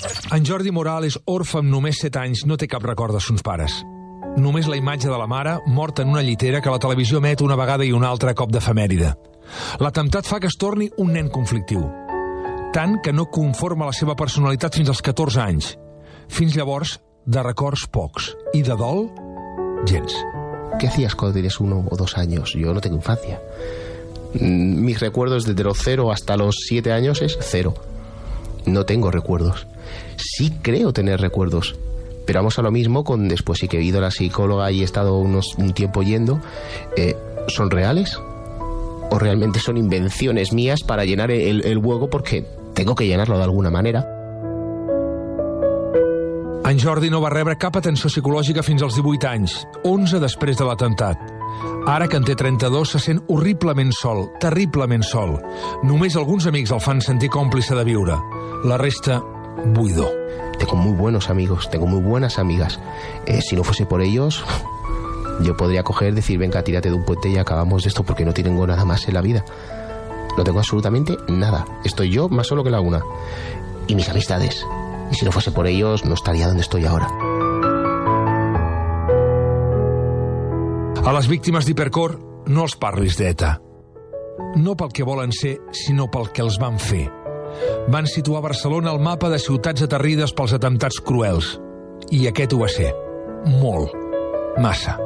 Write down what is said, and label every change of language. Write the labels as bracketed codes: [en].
[ca] En Jordi Moral és orfe amb només 7 anys. No té cap record de sons pares. Només la imatge de la mare, morta en una llitera que la televisió emet una vegada i una altra cop d'efemèride. L'atemptat fa que es torni un nen conflictiu. Tant que no conforma la seva personalitat fins als 14 anys. Fins llavors, de records pocs. I de dol, gens. [es] ¿Qué hacías cuando tienes uno o dos años? Yo no tengo infancia. Mis recuerdos desde los 0 hasta los 7 años es 0. No tengo recuerdos. Sí creo tener recuerdos, Pero vamos a lo mismo con después, sí que he ido a la psicóloga y he estado un tiempo yendo. ¿Son reales? ¿O realmente son invenciones mías para llenar el hueco? Porque tengo que llenarlo de alguna manera. [ca] En Jordi no va rebre cap atenció psicològica fins als 18 anys, 11 després de l'atemptat. Ara que en té 32, se sent horriblement sol, terriblement sol. Només alguns amics el fan sentir còmplice de viure. La resta, buidor. [es] Tengo muy buenos amigos, tengo muy buenas amigas. Si no fuese por ellos, yo podría coger, decir, venga, tírate de un puente y acabamos de esto, porque no tengo nada más en la vida. No tengo absolutamente nada. Estoy yo más solo que la una. Y mis amistades. Y si no fuese por ellos, no estaría donde estoy ahora. [ca] A les víctimes d'Hipercor, no els parlis d'ETA. No pel que volen ser, sinó pel que els van fer. Van situar Barcelona al mapa de ciutats aterrides pels atemptats cruels. I aquest ho va ser. Molt. Massa.